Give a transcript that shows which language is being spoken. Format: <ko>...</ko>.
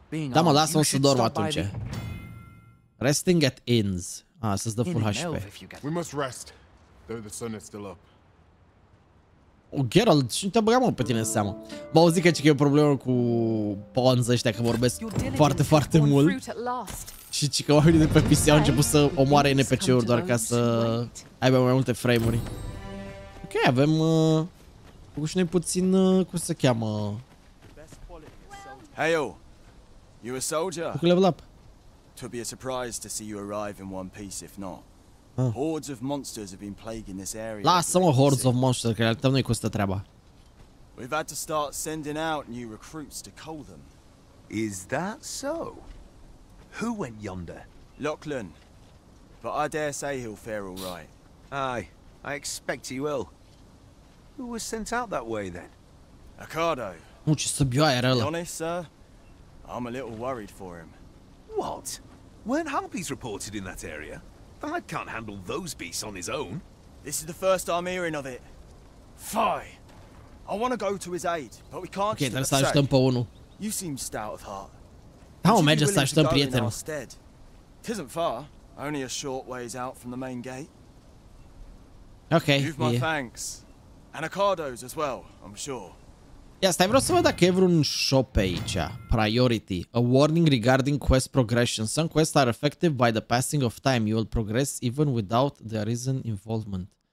<ro>Da, mă, lasă-mi să dorm atunci.</ro> <en>Resting at inns.</en> <ro>Ah, să-ți dă full HP.</ro> <en>We must rest, though the sun is still up.</en> <ro>Oh, Geralt, și nu te-a băgat, mă, pe tine în seamă. Mă, auzi că e o problemă cu pawns ăștia, că vorbesc foarte, foarte mult. Și ci că oamenii de pe PC au început să omoare NPC-uri doar ca să aibă mai multe frame-uri. Ok, avem... făcut și noi puțin... cum se cheamă?</ro> <en>Hey, yo! You a soldier?</en> <ro>Cu level up.</ro> <en>It'll be a surprise to see you arrive in one piece, if not. Hordes of monsters have been plaguing this area.</en> <ro>Lasă-mă,</ro> <en>hordes of monsters,</en> <ro>că realitate nu-i cu asta treaba.</ro> <en>We've had to start sending out new recruits to cull them. Is that so? Who went yonder? Lachlan. But I dare say he'll fare all right. Aye, I expect he will. Who was sent out that way then? Acardo.</en> <ro>Nu, ce să bioi, era ăla.</ro> <en>Honest, sir, I'm a little worried for him. What? Weren't harpies reported in that area? Thad can't handle those beasts on his own. This is the first I'm hearing of it. Fie! I want to go to his aid, but we can't keep him safe.</en> <ro>Ok, trebuie să ajutăm pe unul.</ro> <en>You seem stout of heart.</en> <ro>Da, mă, merge să ajutăm prietenul.</ro> <en>It isn't far, only a short ways out from the main gate. Ok, you've my thanks. And Acardo's as well, I'm sure.</en> <ro>Ia stai, vreau să văd dacă e vreun shop pe aici.</ro> <en>Priority. A warning regarding quest progression. Some quests are affected by the passing of time. You will progress even without the arisen involvement.</en>